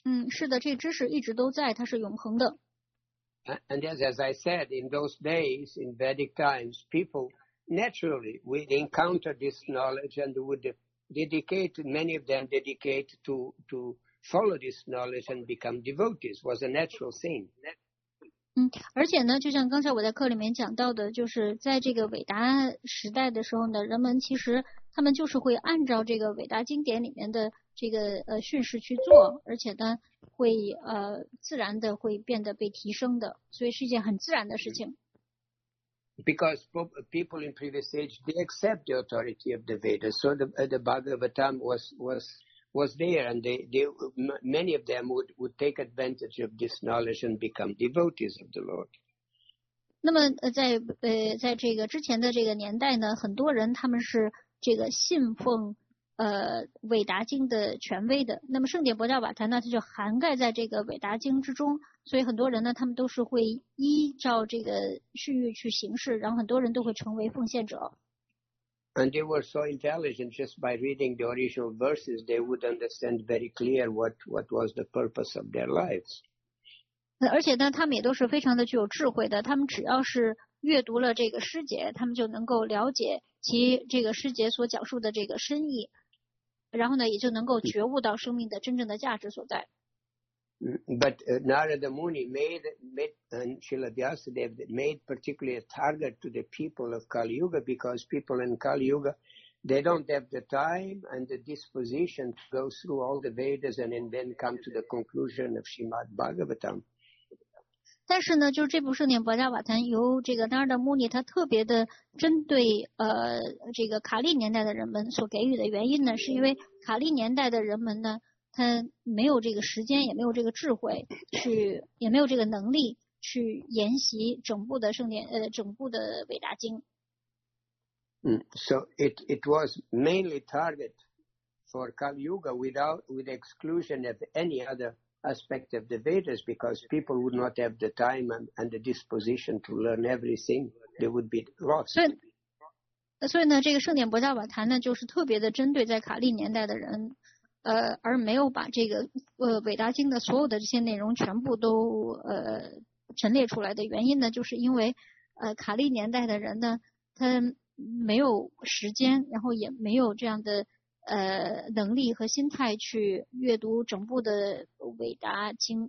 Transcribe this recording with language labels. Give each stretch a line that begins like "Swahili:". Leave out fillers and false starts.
Chinese: 是的，这知识一直都在，它是永恒的。
English: And as I said, in those days, in Vedic times, people naturally would encounter this knowledge and would dedicate, many of them dedicate to follow this knowledge and become devotees. It was a natural thing.
Chinese: 而且呢，就像刚才我在课里面讲到的，就是在这个伟达时代的时候呢，人们其实他们就是会按照这个伟达经典里面的这个训示去做，而且呢会自然的会变得被提升的，所以是一件很自然的事情。
English: Because people in previous age they accept the authority of the Vedas, so the Bhagavatam was there, and they many of them would take advantage of this knowledge and become devotees of the Lord.
Chinese: 那么在这个之前的这个年代呢，很多人他们是这个信奉伟达经的权威的，那么圣迭波迦瓦檀呢，他就涵盖在这个伟达经之中，所以很多人呢，他们都是会依照这个序域去行事，然后很多人都会成为奉献者。
English: And they were so intelligent, just by reading the original verses, they would understand very clear what was the purpose of their lives.
Chinese: 而且呢，他们也都是非常的具有智慧的，他们只要是阅读了这个师节，他们就能够了解其这个师节所讲述的这个深意，然后呢，也就能够觉悟到生命的真正的价值所在。
English: But Narada Muni made and Srila Vyasadeva made particularly a target to the people of Kali Yuga, because people in Kali Yuga, they don't have the time and the disposition to go through all the Vedas and then come to the conclusion of Srimad Bhagavatam.
Chinese: 但是呢，就是这部圣典《薄伽瓦坛》由这个 Narada Muni 他特别的针对这个卡利年代的人们所给予的原因呢，是因为卡利年代的人们呢，他没有这个时间，也没有这个智慧，也没有这个能力去研习整部的圣典，整部的伟大经。
English: So it was mainly target for Kali Yuga with exclusion of any other aspect of the Vedas, because people would not have the time and the disposition to learn everything; they would be lost.
Chinese: 所以呢，这个圣典薄伽瓦坛呢，就是特别的针对在卡利年代的人。而没有把这个伟达经的所有的这些内容全部都陈列出来的原因呢，就是因为卡利年代的人呢，他没有时间，然后也没有这样的能力和心态去阅读整部的伟达经。